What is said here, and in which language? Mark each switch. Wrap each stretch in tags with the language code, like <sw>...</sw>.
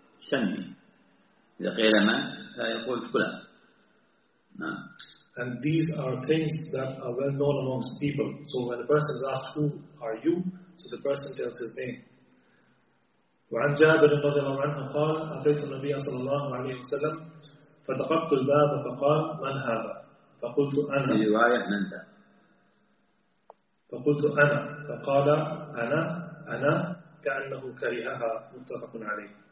<ar>سمي إذا قيل من لا يقول فلان. نعم.</ar> <en>And these are things that are well known amongst people. So when a person is asked, who are you? So the person tells his name.</en> <ar>وعن جابر رضي الله عنه قال أتيت النبي صلى الله عليه وسلم فدققت الباب فقال من هذا؟ فقلت أنا. في رواية من ذا؟ فقلت أنا. فقال أنا أنا كأنه كرهها. متفق عليه.</ar>